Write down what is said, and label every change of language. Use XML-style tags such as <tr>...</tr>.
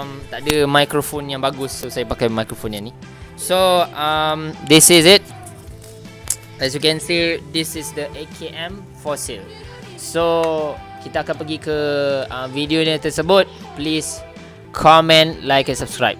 <ms>Tak ada mikrofon yang bagus, so saya pakai mikrofon yang ni.</ms> <en>So this is it. As you can see, this is the AKM fossil.</en> <ms>So kita akan pergi ke video yang tersebut.</ms> <en>Please comment, like and subscribe.</en>